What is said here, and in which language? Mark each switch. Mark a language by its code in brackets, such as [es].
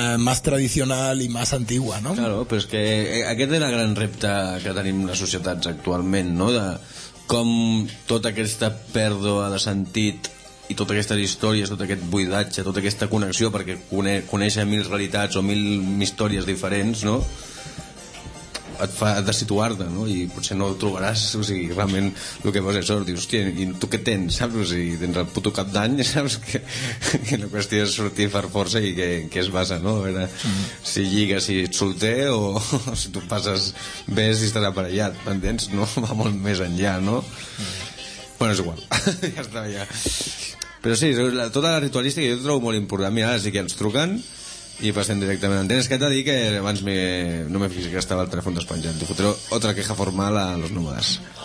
[es] Más tradicional y más antigua, ¿no? Claro, pero es que [ca] aquest era el gran repte que tenim les societats actualment, ¿no? De com tota aquesta pèrdua de sentit i totes aquestes històries, tot aquest buidatge, tota aquesta connexió, perquè conèixer mil realitats o mil històries diferents, no? Et fa de situar-te, no? I potser no trobaràs, o sigui, realment el que vols és sort. Dius, hòstia, i tu què tens, saps? O sigui, tens el puto cap d'any, saps? Que la qüestió és sortir per força i que es basa, no? A veure, si lligues, si et solter o si tu passes bé, si estàs aparellat, m'entens? No? Va molt més enllà, no? Bueno, és igual, ja està, ja. Però sí, tota la ritualística jo trobo molt important. Mira, ara sí que ens truquen i passem directament a l'antena. És que t'ha dit que abans no m'he fixat que estava el telèfon despenjant. [es] Fotré otra queja formal a los nómadas.